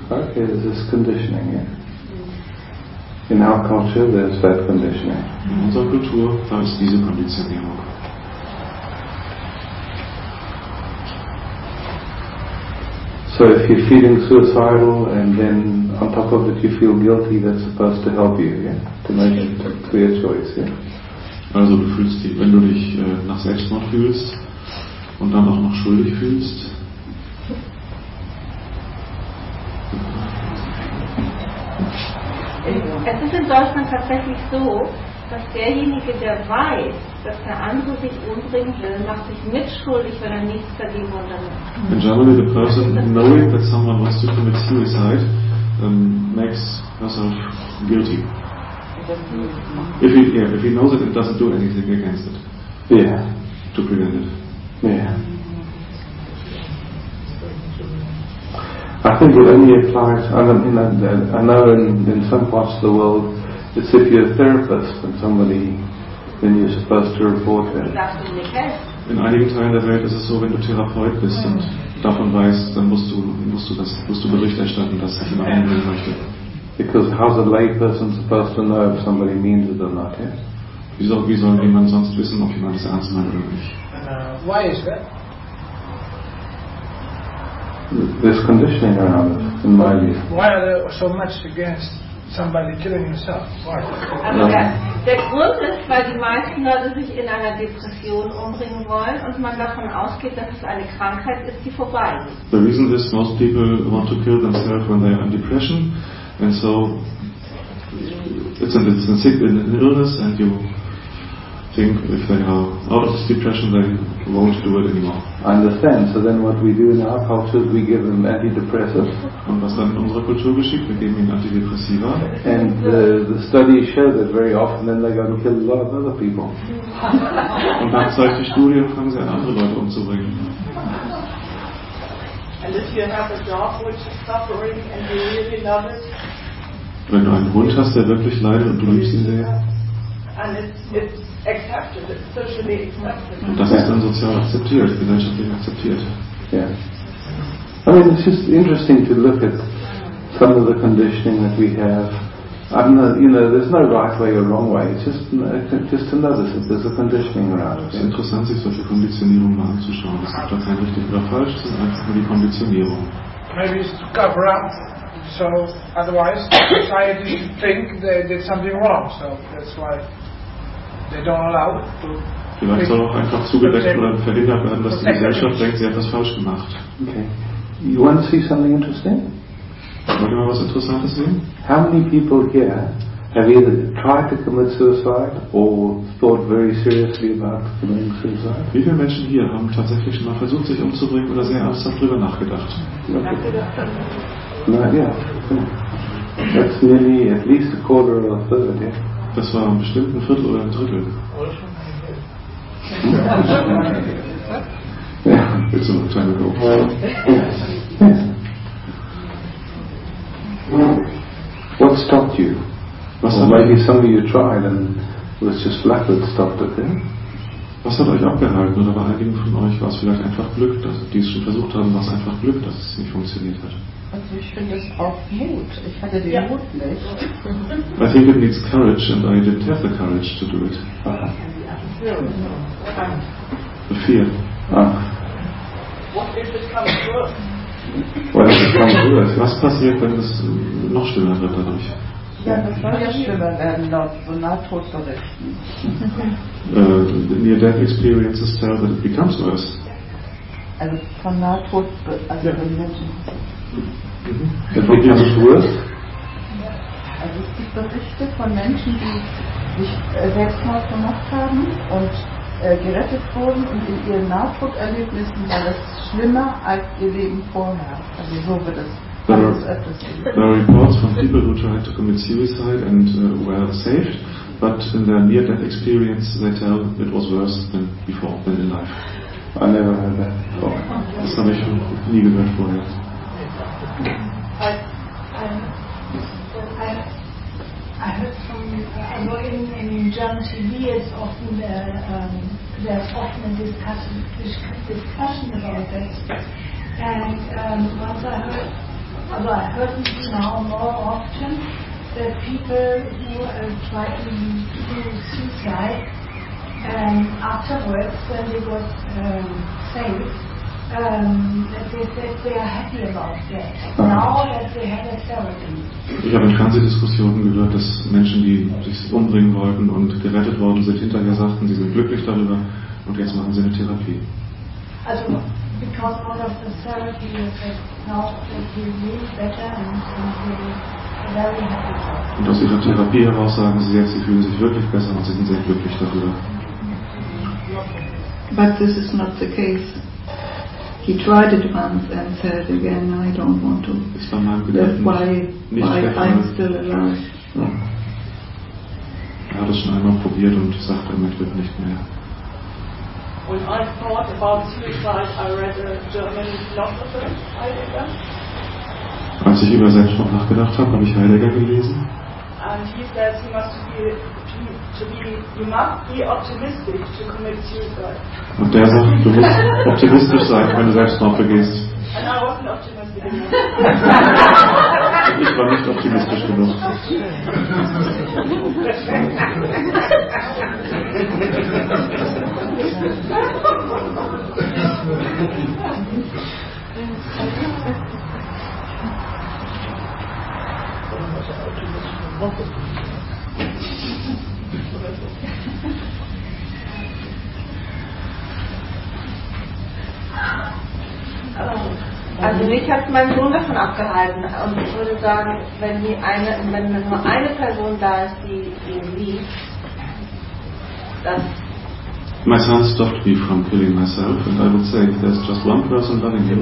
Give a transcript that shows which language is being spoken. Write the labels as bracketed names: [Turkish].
[English] Okay, there's this conditioning, yeah? In our culture, there's that conditioning. [German] In unserer Kultur, da ist diese Konditionierung. [English] So if you're feeling suicidal and then on top of it you feel guilty, that's supposed to help you, yeah? To make a clear choice, yeah? [German] Also du fühlst dich, wenn du dich nach Selbstmord fühlst und dann auch noch schuldig fühlst. Es ist in Deutschland tatsächlich so, dass derjenige, der weiß, dass der andere sich umbringen will, macht sich mitschuldig, wenn er nichts dagegen unternimmt. [English] And generally the person knowing that someone wants to commit suicide makes herself guilty. If he knows it, it doesn't do anything against it. Yeah. To prevent it. Yeah. I think it only applies, I know in some parts of the world, it's if you're a therapist and somebody, then you're supposed to report it. [German] In einigen Teilen der Welt ist es so, wenn du Therapeut bist und davon weißt, dann musst du Bericht erstatten, dass sich jemand einbringen möchte. [English] Because how's a lay person supposed to know if somebody means it or not? Yeah? [German] Wie soll jemand sonst wissen, ob jemand es ernst meint oder nicht? [English] Why is that? There's conditioning around it, in my view. Why are there so much against somebody killing himself? [German] Also der Grund ist, weil die meisten Leute sich in einer Depression umbringen wollen und man davon ausgeht, dass es eine Krankheit ist, die vorbei ist. [English] The reason is most people want to kill themselves when they are in depression. And so it's an illness, and you think if they are out of this depression, they won't do it anymore. I understand. So then, what we do in our culture is we give them antidepressants. [German] Und was dann in unserer Kultur geschieht, wir geben ihnen Antidepressiva. [English] And the studies show that very often, then they go and kill a lot of other people. [German] Und dann zeigt die Studie, fangen sie an, andere Leute umzubringen. Wenn du einen Hund hast, der wirklich leidet und du liebst ihn sehr. Und das ist dann sozial akzeptiert, gesellschaftlich akzeptiert. [English] Yeah. I mean, it's just interesting to look at some of the conditioning that we have. I'm not, you know, there's no right way or wrong way. It's just another. There's a conditioning around it. [German] Es ist interessant, sich solche Konditionierungen mal anzuschauen. Es gibt da kein richtig oder falsch, es ist einfach nur die Konditionierung. [English] Maybe it's to cover up, so otherwise society should think they did something wrong. So that's why they don't allow it to. [German] Vielleicht soll auch einfach zugedeckt oder verhindert werden, dass die Gesellschaft denkt, sie hat was falsch gemacht. [English] Okay. You want to see something interesting? [German] Wollt ihr mal was Interessantes sehen? [English] How many people here have either tried to commit suicide or thought very seriously about committing suicide? [German] Wie viele Menschen hier haben tatsächlich schon mal versucht, sich umzubringen oder sehr ernsthaft darüber nachgedacht? [English] Okay. [German] Na ja, [English] that's nearly at least a quarter or a third, yeah? [German] Das war bestimmt ein Viertel oder ein Drittel. [English] It's a long time ago. What stopped you? Or maybe some of you tried and it was just luck that stopped it. Yeah? [German] Was hat euch abgehalten? Oder bei einigen von euch war es vielleicht einfach Glück, dass die es schon versucht haben, war es einfach Glück, dass es nicht funktioniert hat. Also ich finde es auch Mut. Ich hatte den Mut nicht. [English] I think it needs courage and I didn't have the courage to do it. Aha. The fear. What if it comes first? [German] Was passiert, wenn es noch schlimmer wird dadurch? Ja, das soll ja schlimmer werden, laut so Nahtodberichten. [English] The near-death experiences tell that it becomes worse. [German] Also von Nahtod, also von Menschen. [English] It becomes worse? [German] Also es gibt Berichte von Menschen, die sich Selbstmord gemacht haben und gerettet wurden und in ihren Nahtoderlebnissen war das schlimmer als ihr Leben vorher. Also so wird es. [English] There are reports from people who tried to commit suicide and were saved, but in their near-death experience they tell it was worse than before, than in life. I never heard that before. [German] Das habe ich schon nie gehört vorher. [English] I heard from in New German TV is often there's often a discussion about this. And I heard now more often that people who try to do suicide and afterwards when they got saved, [German] ich habe in Fernsehdiskussionen gehört, dass Menschen, die sich umbringen wollten und gerettet worden sind, hinterher sagten, sie sind glücklich darüber und jetzt machen sie eine Therapie. [English] Also, because out of the therapy, you said, now that you feel better and you [German] Und aus ihrer Therapie heraus sagen sie jetzt, sie fühlen sich wirklich besser und sie sind sehr glücklich darüber. [English] But this is not the case. He tried it once and said again, no, I don't want to. [German] Ist bei meinem Gedanken [English] why I'm still alive. [German] Ja. Er hat es schon einmal probiert und sagt, damit wird nicht mehr. [English] When I thought about suicide, I read a German philosopher, Heidegger. [German] Als ich über Selbstmord nachgedacht habe, habe ich Heidegger gelesen. [English] And he says he must be optimistic to commit suicide. [German] Und der sagt, du musst optimistisch sein, wenn du Selbstmord begehst. [English] And I wasn't optimistic. [German] Und ich war nicht optimistisch genug. Also mich hat mein Sohn davon abgehalten und ich würde sagen, wenn nur eine Person da ist, die ihn liebt, dass [English] my son stopped me from killing myself, and I would say there's just one person loving him.